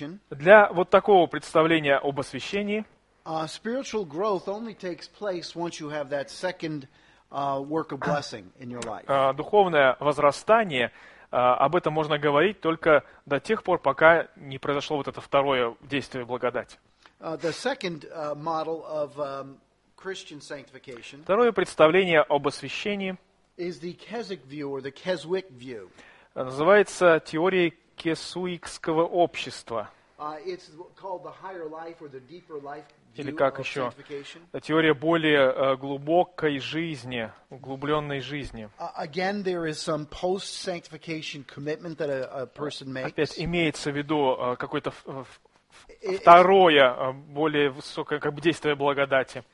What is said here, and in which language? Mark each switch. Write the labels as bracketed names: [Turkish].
[Russian] Для вот такого представления об освящении [English] Spiritual growth only takes place once you have that second work of blessing in your life. [Russian] Духовное возрастание, об этом можно говорить только до тех пор, пока не произошло вот это второе действие благодати. [English] The second model of Christian sanctification. [Russian] Второе представление об освящении [English] is the Keswick view or the Keswick view. [Russian] Называется теорией Кесуикского общества. [English] It's called the higher life or the deeper life. [Russian] Или как еще? Теория более глубокой жизни, углубленной жизни. Опять имеется в виду какое-то второе, более высокое как бы действие благодати.